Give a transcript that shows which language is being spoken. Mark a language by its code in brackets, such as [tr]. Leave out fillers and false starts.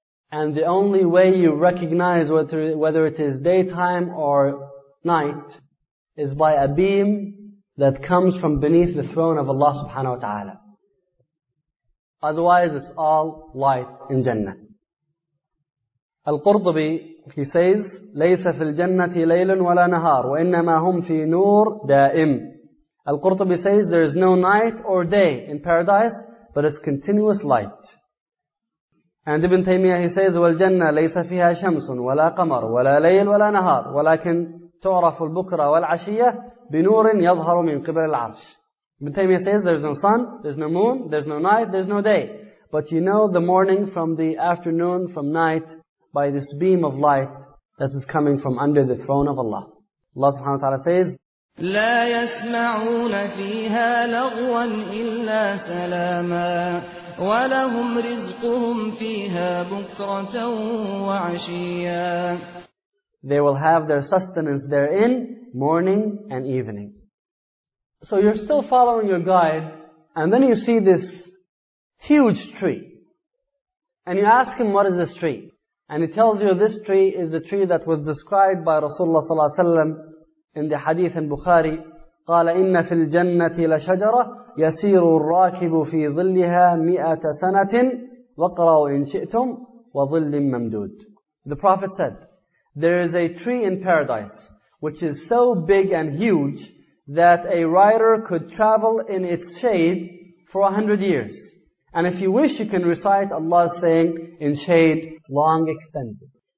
[en] And the only way you recognize whether it is daytime or night is by a beam that comes from beneath the throne of Allah subhanahu wa ta'ala. Otherwise, it's all light in Jannah. [ar] Al-Qurtubi, [en] he says, [ar] لَيْسَ فِي الْجَنَّةِ لَيْلٌ وَلَا نَهَارٌ وَإِنَّمَا هُمْ فِي نُورٍ دَائِمٌ. [en] Al-Qurtubi says, there is no night or day in paradise, but it's continuous light. And Ibn Taymiyyah, he says, [ar] وَالْجَنَّةِ لَيْسَ فِيهَا شَمْسٌ وَلَا قَمَرٌ وَلَا لَيْلٌ وَلَا نَهَارٌ وَلَكِنْ تُعْرَفُ الْبُكْرَ وَالْعَشِيَّةِ بِنُورٍ يَظْهَرُ مِنْ قِبَلِ الْعَرْشِ. [en] Ibn Taymiyyah says, there's no sun, there's no moon, there's no night, there's no day. But you know the morning from the afternoon, from night, by this beam of light that is coming from under the throne of Allah. Allah subhanahu wa ta'ala says, [ar] لا يسمعون فيها لغوا إلا سلاما ولهم رزقهم فيها بكرة وعشيا. [en] They will have their sustenance therein, morning and evening. So you're still following your guide, and then you see this huge tree. And you ask him, what is this tree? And he tells you, this tree is the tree that was described by Rasulullah sallallahu alaihi wasallam in the hadith in Bukhari. [ar] قال إن في الجنة لشجرة يسير الراكب في ظلها مئة سنة وقرأوا إن شئتم وظل ممدود. [en] The Prophet said, there is a tree in paradise which is so big and huge that a rider could travel in its shade for 100 years. And if you wish, you can recite Allah's saying in shade long extended.